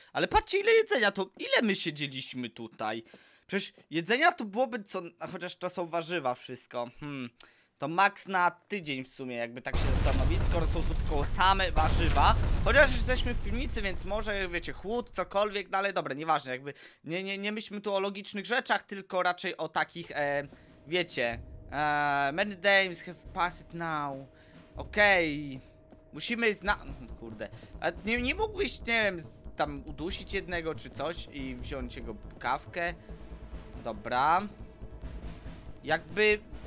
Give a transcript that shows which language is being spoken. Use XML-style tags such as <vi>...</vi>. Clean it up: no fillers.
<pl>Ale patrzcie, ile jedzenia to, ile my siedzieliśmy tutaj. Przecież jedzenia to byłoby co, chociaż to są warzywa wszystko. To max na tydzień w sumie, jakby tak się zastanowić, skoro są tu tylko same warzywa. Chociaż jesteśmy w piwnicy, więc może, wiecie, chłód, cokolwiek, dalej, dobra, nieważne, jakby. Nie myślmy tu o logicznych rzeczach, tylko raczej o takich, wiecie...</pl> <en>many days have passed now.</en> <pl>Okej. Okay. Musimy kurde. A nie mógłbyś, nie wiem, tam udusić jednego czy coś i wziąć jego kawkę. Dobra. Jakby.</pl>